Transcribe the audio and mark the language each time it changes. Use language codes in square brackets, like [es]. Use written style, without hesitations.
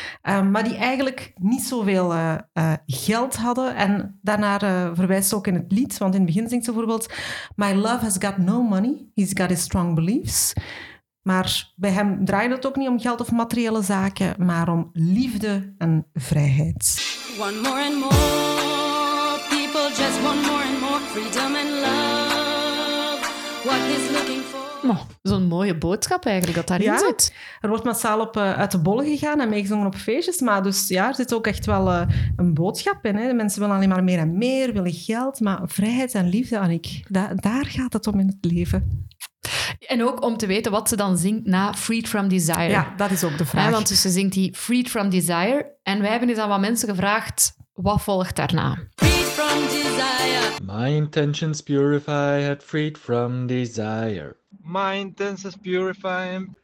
[nl] Maar die eigenlijk niet zoveel geld hadden. En daarnaar verwijst ze ook in het lied, want in het begin zingt ze bijvoorbeeld [en] My love has got no money, he's got his strong beliefs. [nl] Maar bij hem draait het ook niet om geld of materiële zaken, maar om liefde en vrijheid. [en] One more and more, people just want more and more, freedom and love, what he's looking for. [nl] Zo'n mooie boodschap eigenlijk dat daarin zit. Er wordt massaal op uit de bollen gegaan en meegezongen op feestjes. Maar dus ja, er zit ook echt wel een boodschap in. Hè. De mensen willen alleen maar meer en meer, willen geld. Maar vrijheid en liefde, Annick, daar gaat het om in het leven. En ook om te weten wat ze dan zingt na Freed from Desire. Ja, dat is ook de vraag. Want dus ze zingt die Freed from Desire. En wij hebben eens aan wat mensen gevraagd, wat volgt daarna? [en] Freed from Desire. My intentions purify had freed from desire. My intentions purify him.